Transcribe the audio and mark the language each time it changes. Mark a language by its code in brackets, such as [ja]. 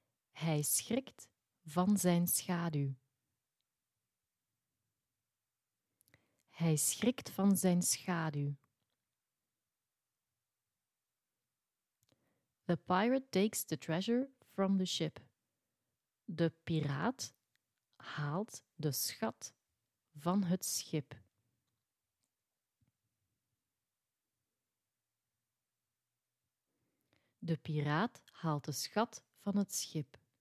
[nl] Hij schrikt van zijn schaduw. Hij schrikt van zijn schaduw. [en] The pirate takes the treasure from the ship. [nl] De piraat haalt de schat van het schip. De piraat haalt de schat van het schip.